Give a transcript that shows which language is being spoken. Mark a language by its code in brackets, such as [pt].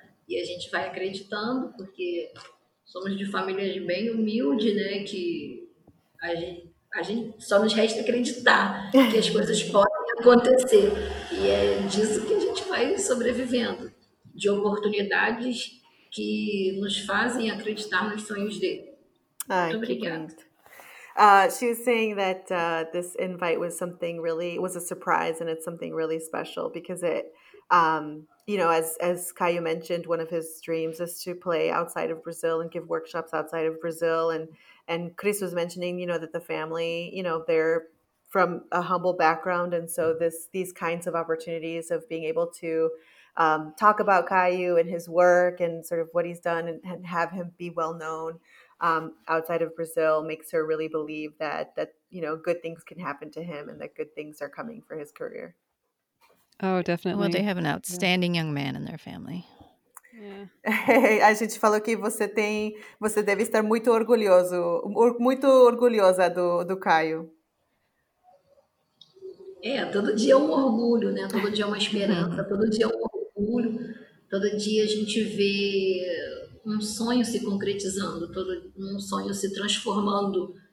[pt] E a gente vai acreditando, porque somos de família bem humilde, né, que a gente só nos resta acreditar que as coisas podem acontecer. E é disso que a gente vai sobrevivendo, de oportunidades que nos fazem acreditar nos sonhos dele. Muito obrigada. [en] She was saying that this invite was something really, was a surprise, and it's something really special because it, you know, as Caio mentioned, one of his dreams is to play outside of Brazil and give workshops outside of Brazil. And Chris was mentioning, you know, that the family, you know, they're from a humble background. And so these kinds of opportunities of being able to talk about Caio and his work and sort of what he's done and have him be well known outside of Brazil makes her really believe that you know, good things can happen to him and that good things are coming for his career. Oh, definitely. Well, they have an outstanding young man in their family. Yeah. [pt] A gente falou que você deve estar muito orgulhoso, muito orgulhosa do Caio. É, todo dia é um orgulho, né? Todo dia é uma esperança, todo dia é um orgulho. Todo dia a gente vê um sonho se concretizando, todo um sonho se transformando.